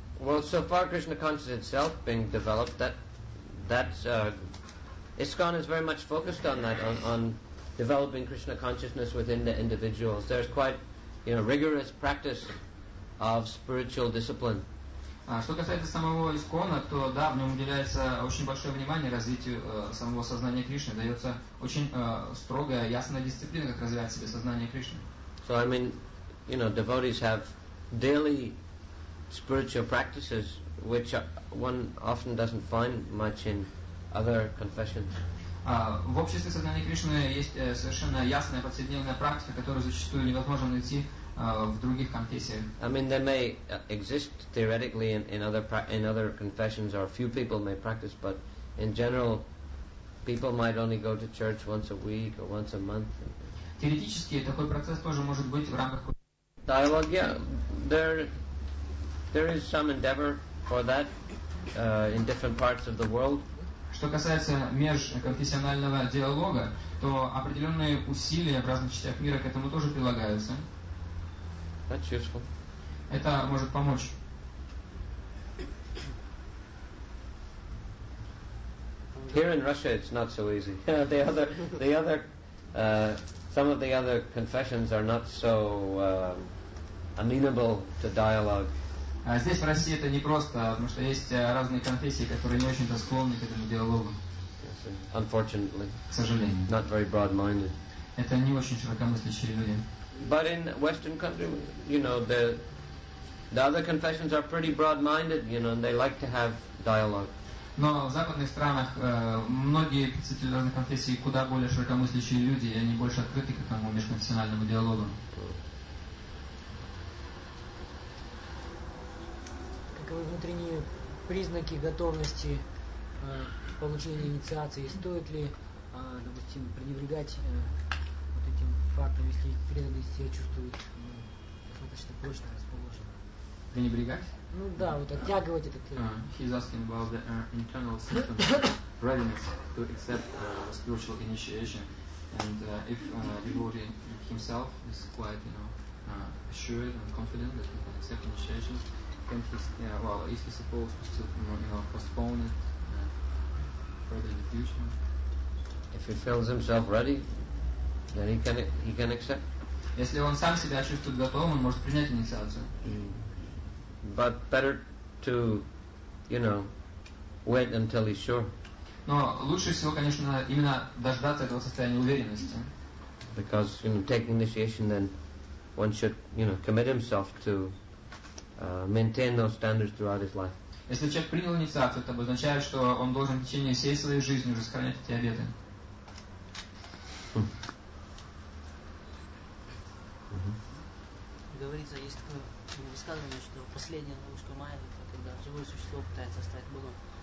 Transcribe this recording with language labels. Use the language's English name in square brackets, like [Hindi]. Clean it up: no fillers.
[English] Well, so far Krishna consciousness itself being developed, that's ISKCON is very much focused on that, on developing Krishna consciousness within the individuals. There's quite, you know, rigorous practice of spiritual discipline. [Russian] Что касается самого ИСКОНа, то да, в нем уделяется очень большое внимание развитию самого сознания Кришны. Дается очень строгая, ясная дисциплина, как развивать себе сознание Кришны. [English] So I mean, you know, devotees have daily spiritual practices, which one often doesn't find much in other confessions. [Russian] В обществе сознания Кришны есть совершенно ясная повседневная практика, которую зачастую невозможно найти в других конфессиях. [English] I mean, they may exist theoretically in other confessions, or a few people may practice, but in general, people might only go to church once a week or once a month. [Russian] Теоретически такой процесс тоже может быть в рамках диалога. [English] Yeah, there is some endeavor for that in different parts of the world. [Russian] Что касается межконфессионального диалога, то определенные усилия в разных частях мира к этому тоже прилагаются. [English] That's useful. [Russian] Это может помочь. [English] Here in Russia it's not so easy. Some of the other confessions are not so amenable to dialogue. [Russian] Здесь, в России, это непросто, потому что есть разные конфессии, которые не очень-то склонны к этому диалогу. [English] Yes, unfortunately. [Russian] К сожалению. [English] Not very broad-minded. [Russian] Это не очень широкомыслящие люди. [English] But in Western countries, you know, the other confessions are pretty broad-minded, you know, and they like to have dialogue. [Russian] Но в западных странах многие представители разных конфессий куда более широкомыслящие люди, и они больше открыты к этому межконфессиональному диалогу. Внутренние признаки готовности получения инициации, стоит ли, допустим, пренебрегать вот этим фактом, если преданный себя чувствует достаточно прочно расположенным. Пренебрегать? Ну да, вот оттягивать этот. [English] He's asking about the internal symptoms, readiness to accept spiritual initiation, and if devotee himself is quite, you know, assured and confident that he can accept initiation. Is he supposed to postpone it further in the future? If he feels himself ready, then he can accept. [Russian] Если он сам себя чувствует готовым, он может принять инициацию. [English] But better to you know, wait until he's sure. [Russian] Но лучше всего, конечно, именно дождаться этого состояния уверенности. [English] Because, you know, taking initiation, then one should, you know, commit himself to maintain those standards throughout his life. [Russian] Если человек принял инициацию, это означает, что он должен в течение всей своей жизни уже сохранять эти обеты. Говорится, есть такое высказывание, что последняя ловушка майя, когда живое существо пытается стать Богом.